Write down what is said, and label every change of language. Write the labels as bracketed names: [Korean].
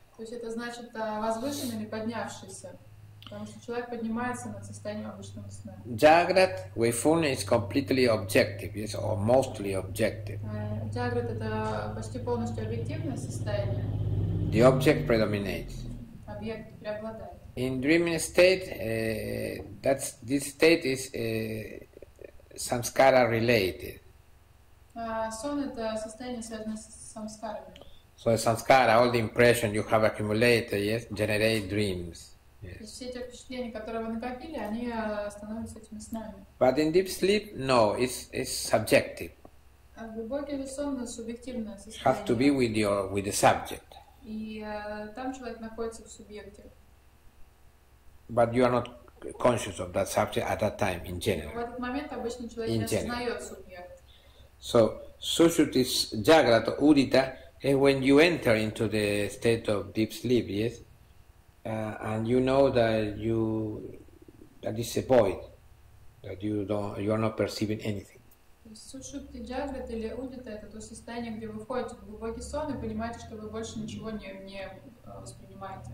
[Russian] То есть это значит возвышенный или поднявшийся, потому что человек поднимается над состоянием обычного сна. [English] Jagrat, wakefulness is completely objective, yes, or mostly objective. [Russian] Jagrat это почти полностью объективное состояние. [English] The object predominates. [Russian] Объект преобладает. [English] In dreaming state, this state is samskara related. [Russian] Сон это состояние связанное с самскарами. [English] So the samskara, all the impression you have accumulated, yes, generate dreams. Yes. [Russian] Все эти впечатления, которые вы накопили, они становятся этими снами. [English] But in deep sleep, no, it's subjective. [Russian] А в глубокий сон это субъективное состояние. [English] Have to be with your with the subject. [Russian] И там человек находится в субъекте. [English] But you are not conscious of that subject at that time, in general. In general. So, Sushruti Jagrat Udita is when you enter into the state of deep sleep, yes? And you know that you, that it's a void, that you don't, you are not perceiving anything. [Russian] Сушупти Джаграт или Удита – это то состояние, где вы входите в глубокий сон и понимаете, что вы больше ничего не воспринимаете.